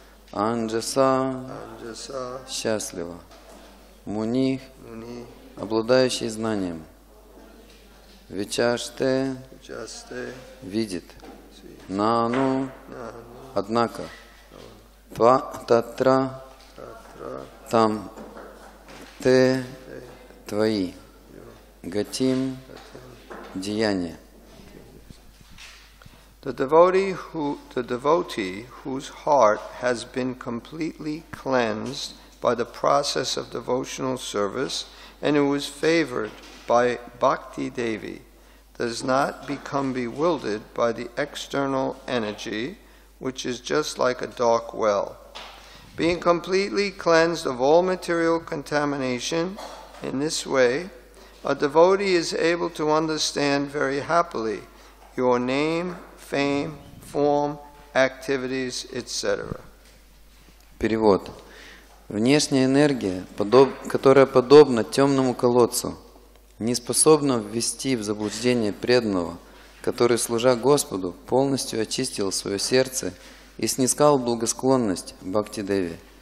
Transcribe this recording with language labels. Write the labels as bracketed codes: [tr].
[en] Анджаса счастливо. Муних, обладающий знанием, вичаште видит, нану, однако, тва татра там, те твои, гатим деяния. The devotee whose heart has been completely cleansed by the process of devotional service, and who is favored by Bhakti Devi, does not become bewildered by the external energy, which is just like a dark well. Being completely cleansed of all material contamination, in this way, a devotee is able to understand very happily your name, fame, form, activities, etc. [ru] Перевод. Внешняя энергия, которая подобна темному колодцу, не способна ввести в заблуждение преданного, который, служа Господу, полностью очистил свое сердце и снискал благосклонность Бхакти-деви.